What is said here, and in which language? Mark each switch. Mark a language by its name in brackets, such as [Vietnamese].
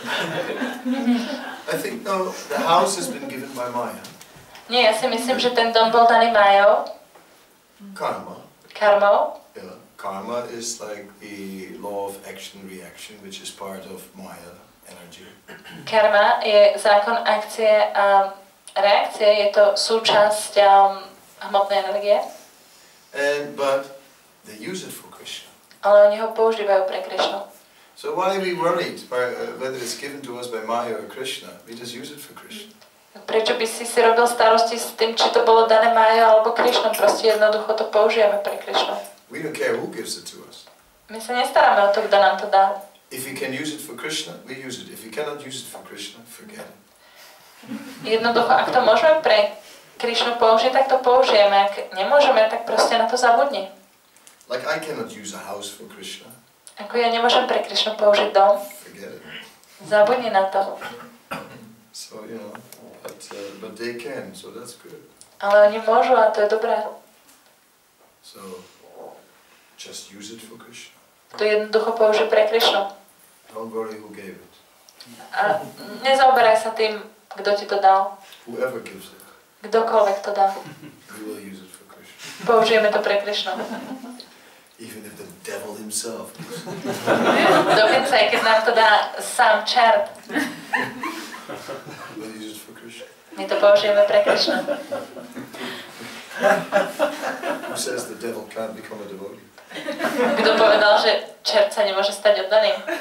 [English] I think no, the house has been given by Maya. [Slovak] Nie, ja si myslím, že ten dom bol daný Majou. [English] Karma. [Slovak] Karma. [English] Yeah. Karma is like the law of action reaction, which is part of Maya energy. [Slovak] Karma je zákon akcie a reakcie, je to súčasť hmotnej energie. [English] But they use it for Krishna. [Slovak] Ale oni ho používajú pre Krishna. [English] So why are we worried by, whether it's given to us by Maya or Krishna? We just use it for Krishna. [Slovak] Prečo by si si robil starosti s tým, či to bolo dané Maya alebo Krishna? Proste jednoducho to použijeme pre Krishna. [English] We don't care who gives it to us. [Slovak] My sa nestaráme o to, kto nám to dá. [English] If we can use it for Krishna, we use it. If we cannot use it for Krishna, forget it. [Slovak] Jednoducho, ak to môžeme pre Krishnu použiť, tak to použijeme. Ak nemôžeme, tak proste na to zabudni. [English] Like I cannot use a house for Krishna. [Slovak] Ako ja nemôžem pre Krishnu použiť dom. [English] Forget it. [Slovak] Zabudni na to. [English] So, you know, but they can, so that's good. [Slovak] Ale oni môžu a to je dobré. [English] So, just use it for Krishna. [Slovak] To jednoducho použij pre Krishnu. [English] Don't worry who gave it. [Slovak] A nezaoberaj sa tým, kto ti to dal? [English] Whoever gives it. [Slovak] Kdokoľvek to dá. [English] We will use it for Krishna. [Slovak] Použijeme to pre Krishna. [English] Even if the devil himself. [Slovak] Dokonca aj keď nám to dá sám čert. [English] We will use it for Krishna. [Slovak] My to použijeme pre Krishna. [English] Who says the devil can't become a devotee? [Slovak] Kto povedal, že čert sa nemôže stať oddaným?